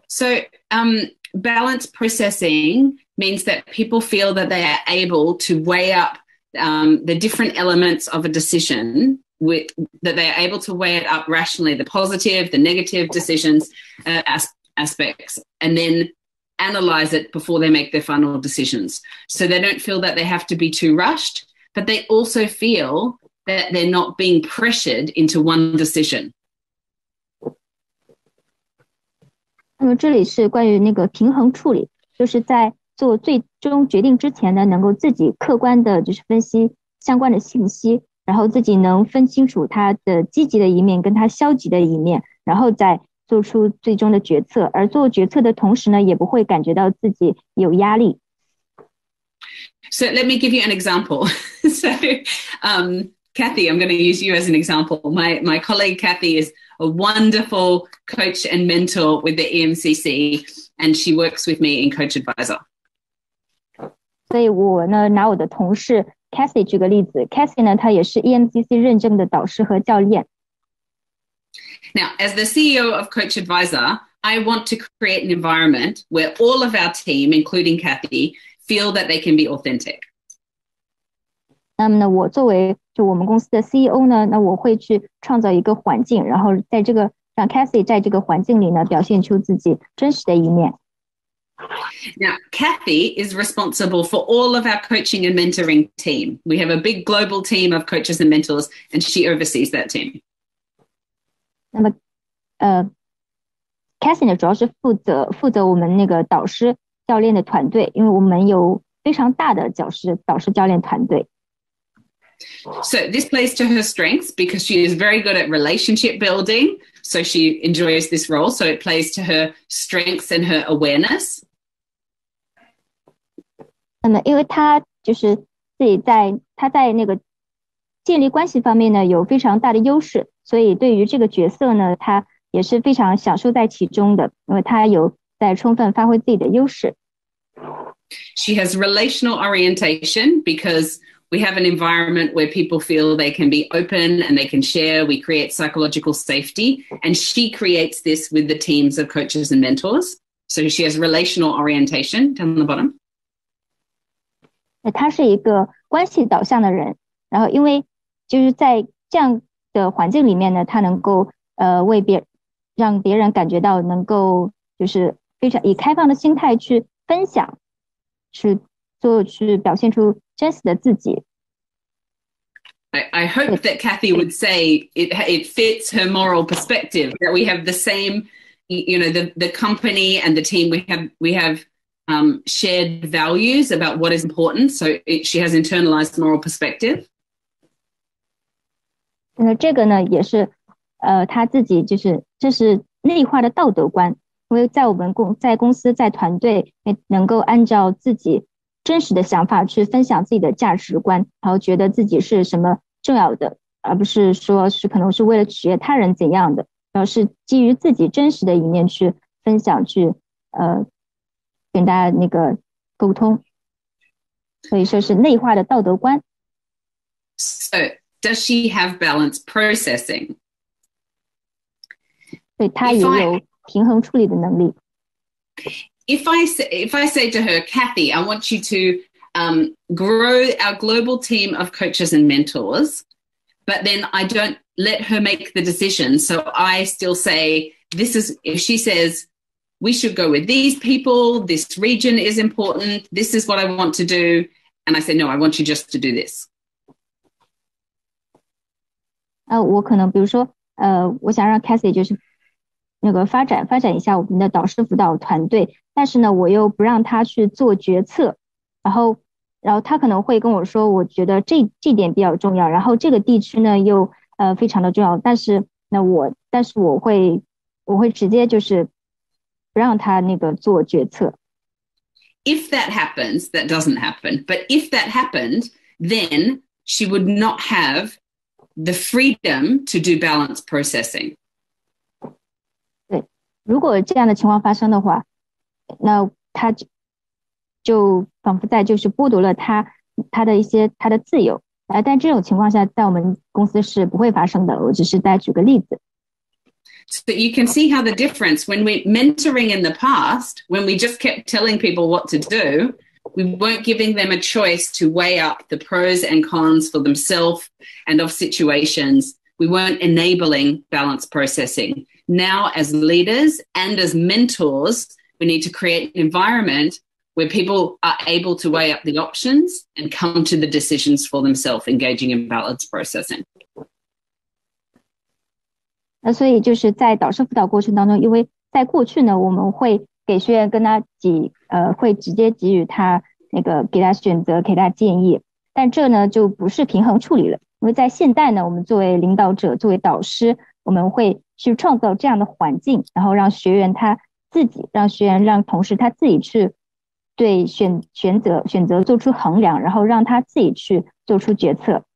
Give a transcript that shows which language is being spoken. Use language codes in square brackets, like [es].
[en] So balance processing means that people feel that they are able to weigh up the different elements of a decision, that they are able to weigh it up rationally, the positive, the negative decisions, aspects, and then analyze it before they make their final decisions. So they don't feel that they have to be too rushed, but they also feel that they're not being pressured into one decision. [zh] 那么这里是关于那个平衡处理，就是在做最终决定之前呢，能够自己客观的就是分析相关的信息，然后自己能分清楚它的积极的一面跟它消极的一面，然后再做出最终的决策，而做决策的同时呢，也不会感觉到自己有压力。 [en] So let me give you an example. So, Kathy, I'm going to use you as an example. My colleague Kathy is a wonderful coach and mentor with the EMCC, and she works with me in CoachAdviser. [zh] 所以我呢，拿我的同事 Kathy 举个例子。Kathy 呢，她也是 EMCC 认证的导师和教练。 [en] Now, as the CEO of CoachAdviser, I want to create an environment where all of our team, including Kathy, feel that they can be authentic. [zh] 那么呢，我作为就我们公司的 CEO 呢，那我会去创造一个环境，然后在这个让 Kathy 在这个环境里呢，表现出自己真实的一面。 [en] Now, Kathy is responsible for all of our coaching and mentoring team. We have a big global team of coaches and mentors, and she oversees that team. [zh] 那么Kathy 呢主要是负责我们那个导师教练的团队，因为我们有非常大的导师教练团队。 [en] So this plays to her strengths because she is very good at relationship building, so she enjoys this role, so it plays to her strengths and her awareness. [zh] 那么因为她就是自己在她在那个建立关系方面呢有非常大的优势。所以对于这个角色呢，他也是非常享受在其中的，因为他有在充分发挥自己的优势。 [en] She has relational orientation because we have an environment where people feel they can be open and they can share. We create psychological safety, and she creates this with the teams of coaches and mentors. So she has relational orientation down the bottom. [zh] 他是一个关系导向的人，然后因为就是在这样的环境里面呢，他能够让别人感觉到能够就是非常以开放的心态去分享，去表现出真实的自己。 [en] I hope that Kathy would say it fits her moral perspective that we have the same, you know, the company and the team we have shared values about what is important. So she has internalized moral perspective. [zh] 那这个呢也是他自己就是这是内化的道德观，因为在我们在公司在团队能够按照自己真实的想法去分享自己的价值观，然后觉得自己是什么重要的，而不是说是可能是为了取悦他人怎样的，然后是基于自己真实的一面去分享去跟大家那个沟通，所以说是内化的道德观。 [en] 是Does she have balance processing? [zh] 对，她也有平衡处理的能力。 [en] If I say to her, Kathy, I want you to grow our global team of coaches and mentors, but then I don't let her make the decision. So I still say, this is, if she says, we should go with these people, this region is important, this is what I want to do. And I say, no, I want you just to do this. [zh] 我可能比如说我想让 Kathy 就是那个发展一下我们的导师辅导团队，但是呢我又不让他去做决策，然后他可能会跟我说我觉得这点比较重要，然后这个地区呢又非常的重要，但是我会直接就是不让他那个做决策。 [en] If that happens, that doesn't happen. But if that happened, then she would not have the freedom to do balance processing. [zh] 对，如果这样的情况发生的话，那她就仿佛在就是剥夺了她的一些她的自由。但这种情况下在我们公司是不会发生的，我只是再举个例子。 [en] So you can see how the difference when we're mentoring in the past, when we just kept telling people what to do, we weren't giving them a choice to weigh up the pros and cons for themselves and of situations. We weren't enabling balance processing. Now as leaders and as mentors, we need to create an environment where people are able to weigh up the options and come to the decisions for themselves, engaging in balance processing. [zh] 那所以就是在导师辅导过程当中，因为在过去呢，我们会给学员跟他会直接给予他那个给他选择，给他建议。但这呢就不是平衡处理了，因为在现代呢，我们作为领导者，作为导师，我们会去创造这样的环境，然后让学员他自己，让学员让同事他自己去对选择做出衡量，然后让他自己去做出决策。